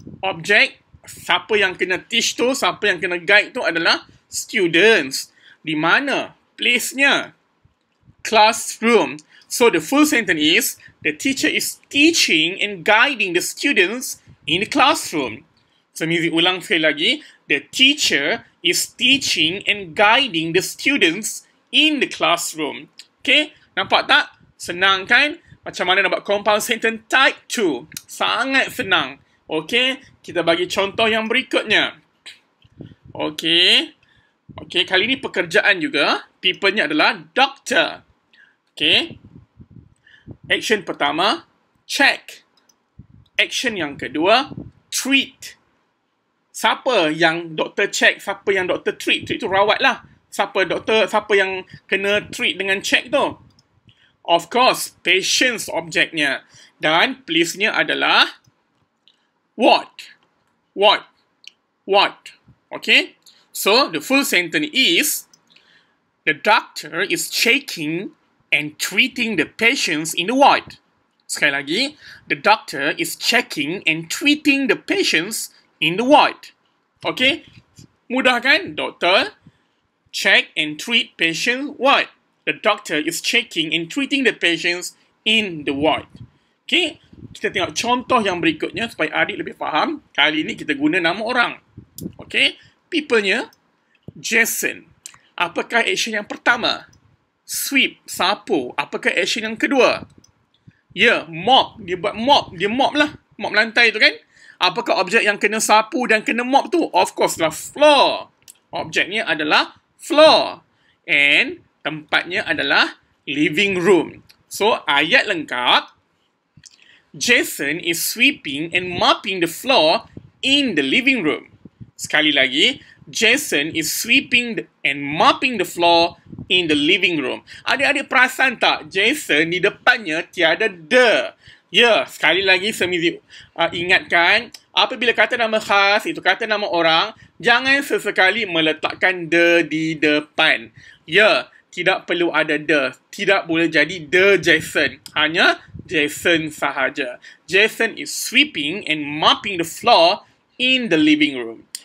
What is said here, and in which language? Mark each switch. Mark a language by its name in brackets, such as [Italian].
[Malay] Object, siapa yang kena teach tu, siapa yang kena guide tu adalah students. Di mana? Place-nya. Classroom. [English] So, the full sentence is, the teacher is teaching and guiding the students in the classroom. So, [Malay] Mizie ulang sekali lagi. [English] The teacher is teaching and guiding the students in the classroom. [Malay] Okay? Nampak tak? Senang kan? Macam mana nak buat compound sentence type 2? Sangat senang. Okay? Kita bagi contoh yang berikutnya. Okay? Okay, kali ni pekerjaan juga. People-nya adalah doctor. Okay? Action pertama, check. Action yang kedua, treat. Siapa yang doktor check, siapa yang doktor treat? Treat tu rawat lah. Siapa doktor, siapa yang kena treat dengan check tu? Of course, patient's objectnya. Dan place-nya adalah what. What. What. Okay? [English] So, the full sentence is the doctor is checking and treating the patients in the ward. [Malay] Sekali lagi, [English] the doctor is checking and treating the patients in the ward. Okay? [Malay] Mudah kan? [English] Doctor, check and treat patients ward. The doctor is checking and treating the patients in the ward. [Malay] Okay? Kita tengok contoh yang berikutnya supaya adik lebih faham. Kali ini kita guna nama orang. Okay? People-nya, Jason. Apakah action yang pertama? Sweep, sapu. Apakah action yang kedua? Ya, yeah, mop. Dia buat mop. Dia mop lah. Mop lantai tu kan? Apakah objek yang kena sapu dan kena mop tu? [English] Of course [Malay] lah, floor. Objeknya adalah floor. And tempatnya adalah living room. So, ayat lengkap. [English] Jason is sweeping and mopping the floor in the living room. Sekali lagi, Jason is sweeping and mopping the floor in the living room. [Malay] Adik-adik perasan tak? Jason di depannya tiada the. Ya, yeah, sekali lagi semizi ingatkan, apabila kata nama khas, itu kata nama orang, jangan sesekali meletakkan the di depan. Ya, yeah, tidak perlu ada the. Tidak boleh jadi the Jason. Hanya Jason sahaja. [English] Jason is sweeping and mopping the floor in the living room.